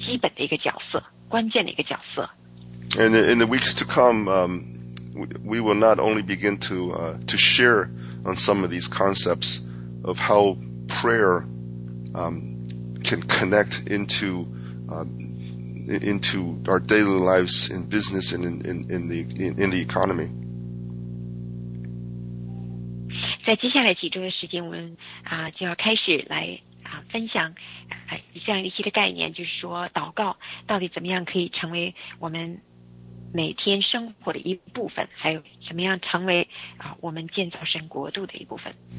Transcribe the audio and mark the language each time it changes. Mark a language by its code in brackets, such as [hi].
[zh] 我开始越来越坚信，这整个带祷，它的重要性，以及它在我们建立神国经济网络这场神的这个运动当中，它有很基本的一个角色，关键的一个角色。 [en] And in the weeks to come, we will not only begin to share on some of these concepts of how prayer can connect into our daily lives in business and in the economy. [zh] 在接下来几周的时间，我们就要开始来分享这样一些的概念，就是说祷告到底怎么样可以成为我们 每天生活的一部分，还有怎么样成为我们建造神国度的一部分。